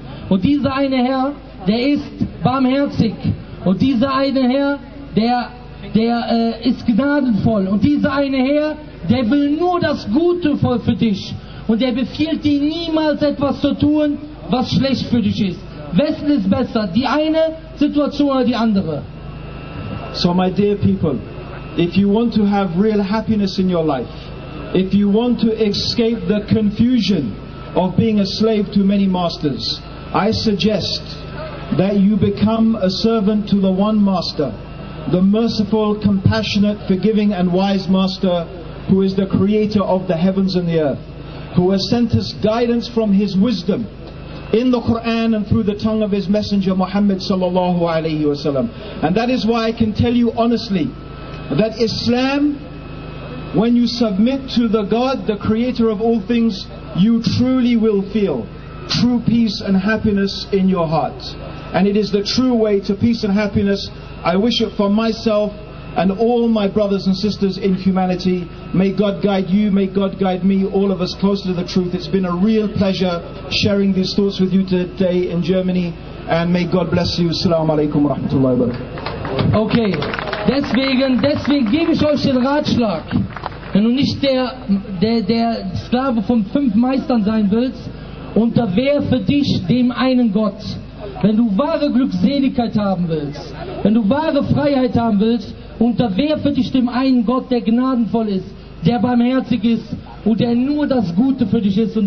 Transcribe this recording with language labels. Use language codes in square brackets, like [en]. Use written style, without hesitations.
[de] Und dieser eine Herr, der ist barmherzig. Und dieser eine Herr, der ist gnadenvoll. Und dieser eine Herr, der will nur das Gute für dich. Und der befiehlt dir niemals etwas zu tun, was schlecht für dich ist. Wessen ist besser? Die eine Situation oder die andere? [en] So, my dear people, if you want to have real happiness in your life, if you want to escape the confusion of being a slave to many masters, I suggest that you become a servant to the one master, the merciful, compassionate, forgiving and wise master, who is the creator of the heavens and the earth, who has sent us guidance from his wisdom in the Quran and through the tongue of his messenger Muhammad [ar] sallallahu alayhi wa sallam. [en] And that is why I can tell you honestly that Islam, when you submit to the God, the creator of all things, you truly will feel true peace and happiness in your heart. And it is the true way to peace and happiness. I wish it for myself and all my brothers and sisters in humanity. May God guide you, may God guide me, all of us closer to the truth. It's been a real pleasure sharing these thoughts with you today in Germany. And may God bless you. [ar] Assalamu alaikum wa rahmatullahi wa barakatuh. [de] Okay, deswegen gebe ich euch den Ratschlag. Wenn du nicht der Sklave von fünf Meistern sein willst, unterwerfe dich dem einen Gott. Wenn du wahre Glückseligkeit haben willst, wenn du wahre Freiheit haben willst, unterwerfe dich dem einen Gott, der gnadenvoll ist, der barmherzig ist und der nur das Gute für dich ist.